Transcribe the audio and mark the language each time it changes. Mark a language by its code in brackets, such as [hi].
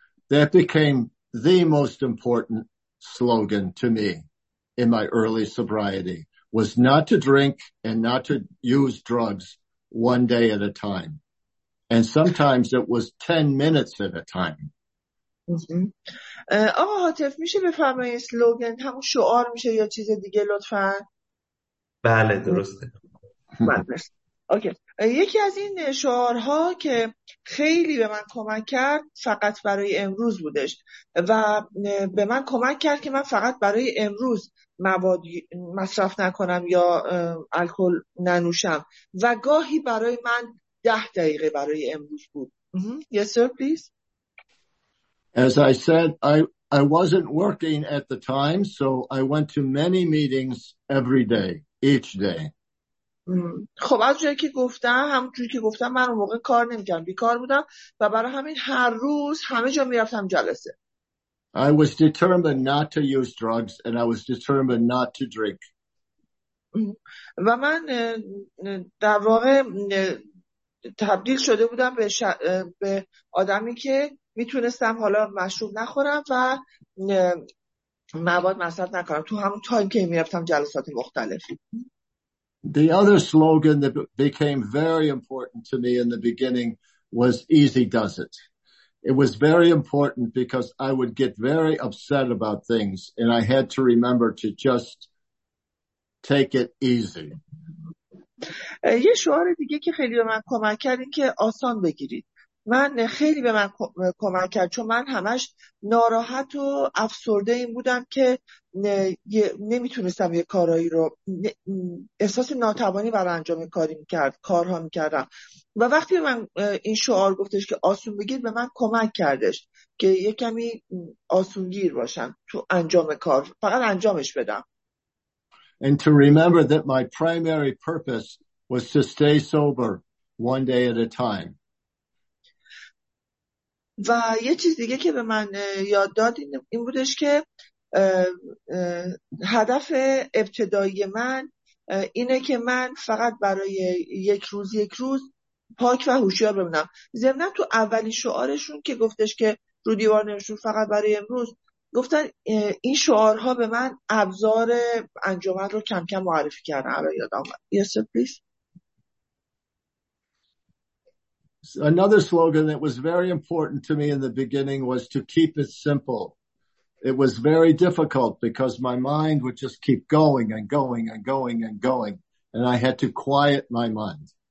[en] That became the most important slogan to me in my early sobriety. Was not to drink and not to use drugs one day at a time. And sometimes it was 10 minutes at a time. [fa] آقا حاتف میشه بفرمایی سلوگن همون شعار میشه یا چیز دیگه لطفا؟ بله درسته. یکی از این شعارها که خیلی به من کمک کرد فقط برای امروز بودش و به من کمک کرد که من فقط برای امروز مواد مصرف نکنم یا الکل ننوشم و گاهی برای من 10 دقیقه برای امروز بود. [en] Yes sir please. As I said, I wasn't working at the time, so I went to many meetings every day, each day. [fa] خب از جایی که گفتم، همونجوری که گفتم، من اون موقع کار نمی‌کردم، بیکار بودم و برای همین هر روز همه جا می‌رفتم جلسه. [en] I was determined not to use drugs and I was determined not to drink. [fa] و من در واقع تبدیل شده بودم به آدمی که میتونستم حالا مشروب نخورم و مواد مصرف نکنم تو همون تایم که میرفتم جلسات مختلف. [en] The other slogan that became very important to me in the beginning was easy does it. It was very important because I would get very upset about things and I had to remember to just take it easy. [fa] یه شعار دیگه که خیلی به من کمک کرد این که آسان بگیرید. من خیلی به من کمک کرد چون من همش ناراحت و افسرده این بودم که نمیتونستم یه کارهایی رو احساس ناتوانی برای انجام کارها میکردم و وقتی من این شعار گفتش که آسون بگیر به من کمک کردش که یه کمی آسونگیر باشم تو انجام کار، فقط انجامش بدم. [en] And to remember that my primary purpose was to stay sober one day at a time. [fa] و یه چیز دیگه که به من یاد داد این بودش که هدف ابتدایی من اینه که من فقط برای یک روز پاک و هوشیار بمونم. ضمن تو اولین شعارشون که گفتش که رو دیوار نمیشون فقط برای امروز، گفتن این شعارها به من ابزار انجمن رو کم کم معرفی کردن. الان یاد آمد. [en] Yes, please. Another slogan that was very important to me in the beginning was to keep it simple. It was very difficult because my mind would just keep going and going and going and going, and I had to quiet my mind.